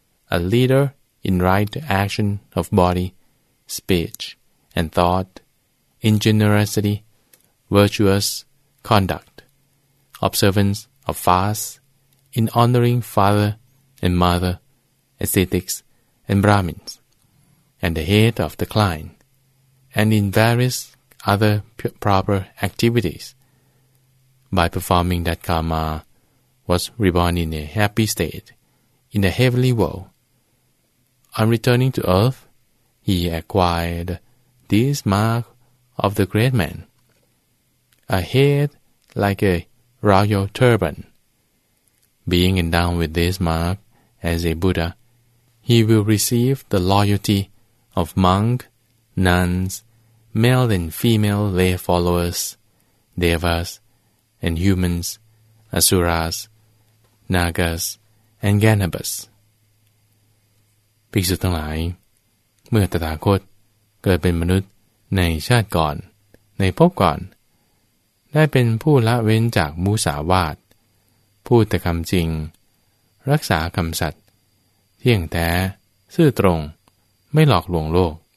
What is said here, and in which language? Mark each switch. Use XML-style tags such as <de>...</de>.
<en>a leader in right action of body, speech, and thought, in generosity, virtuous conduct, observance of fasts, in honoring father and mother, ascetics and Brahmins, and the head of the clan, and in various other proper activities. By performing that karma, was reborn in a happy state, in a heavenly world. On returning to earth, he acquired this mark of the great man, a head like a royal turban. Being endowed with this mark as a Buddha, he will receive the loyalty of monk, nuns, male and female lay followers, devas and humans, asuras, nagas and ganabas.</en> <th>ภิกษุทั้งหลายเมื่อตถาคตเกิดเป็นมนุษย์ในชาติก่อนในภพก่อนได้เป็นผู้ละเว้นจากมุสาวาทพูดแต่คำจริงรักษาคำสัตย์เที่ยงแท้ซื่อตรงไม่หลอกลวงโลก</th>